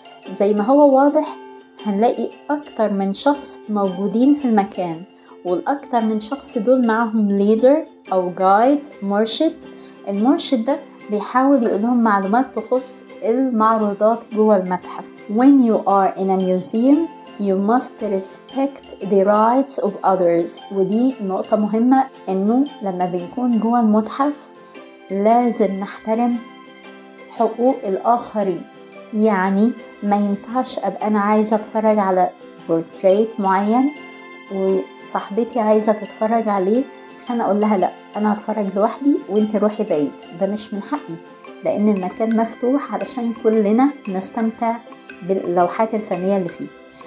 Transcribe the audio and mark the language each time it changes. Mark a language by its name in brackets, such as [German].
[Arabic] زي ما هو واضح هنلاقي اكتر من شخص موجودين في المكان، والاكتر من شخص دول معهم ليدر او جايد، مرشد. المرشد ده بيحاول يقولهم معلومات تخص المعروضات جوه المتحف. [English] When you are in a museum, you must respect the rights of others. [Arabic] ودي نقطة مهمة، انه لما بنكون جوا المتحف لازم نحترم حقوق الاخرين. يعني ما ينفعش ابقى انا عايزة اتفرج على بورتريت معين وصاحبتي عايزة تتفرج عليه، انا اقول لها لا انا هتفرج لوحدي وانت روحي بعيد، ده مش من حقي، لان المكان مفتوح علشان كلنا نستمتع باللوحات الفنية اللي فيه.